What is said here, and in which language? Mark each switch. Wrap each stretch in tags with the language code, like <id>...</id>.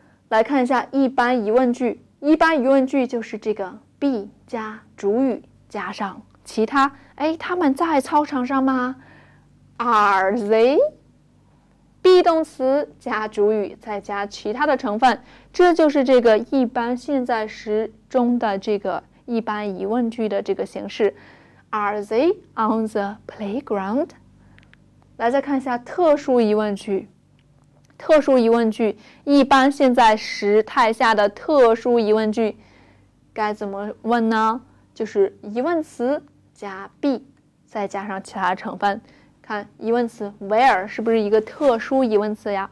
<zh>来看一下一般疑问句，一般疑问句就是这个 be 加主语加上其他。哎，他们在操场上吗 ？</zh> <en>Are they？</en> <zh>be 动词加主语再加其他的成分，这就是这个一般现在时中的这个一般疑问句的这个形式。</zh> <en>Are they on the playground？</en> <zh>来，再看一下特殊疑问句。特殊疑问句，一般现在时态下的特殊疑问句，该怎么问呢？就是疑问词加 be， 再加上其他成分。看疑问词 where 是不是一个特殊疑问词呀？</zh>